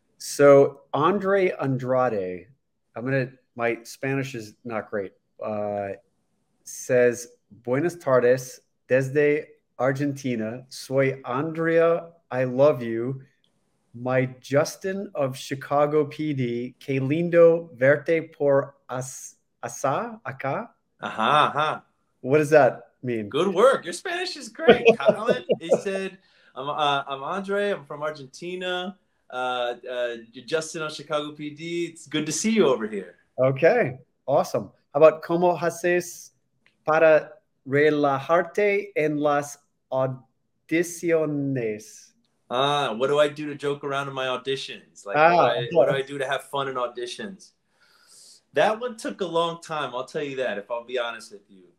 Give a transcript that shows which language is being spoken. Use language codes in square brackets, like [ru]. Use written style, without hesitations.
[en] So Andre Andrade, my Spanish is not great, says, [es] Buenas tardes, desde Argentina, soy Andrea, [en] I love you, my Justin of Chicago PD, [es] que lindo verte por acá. [en] What does that mean? Good work. Your Spanish is great, Colin. He said, I'm Andre. I'm from Argentina. Justin on Chicago PD. It's good to see you over here. Okay. Awesome. How about, [es] ¿cómo haces para relajarte en las audiciones? [en] What do I do to joke around in my auditions? What do I do to have fun in auditions? That one took a long time, I'll tell you that, if I'll be honest with you.